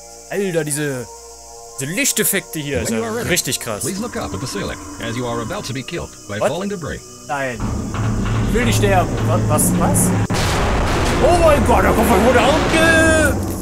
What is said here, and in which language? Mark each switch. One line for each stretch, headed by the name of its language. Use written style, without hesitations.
German: Alter, diese Lichteffekte hier sind ja richtig krass.
English: Please look up at the ceiling, as you are about to be killed by falling debris.
German: Nein. Ich will nicht sterben. Was? Oh mein Gott, da kommt ein guter Auge!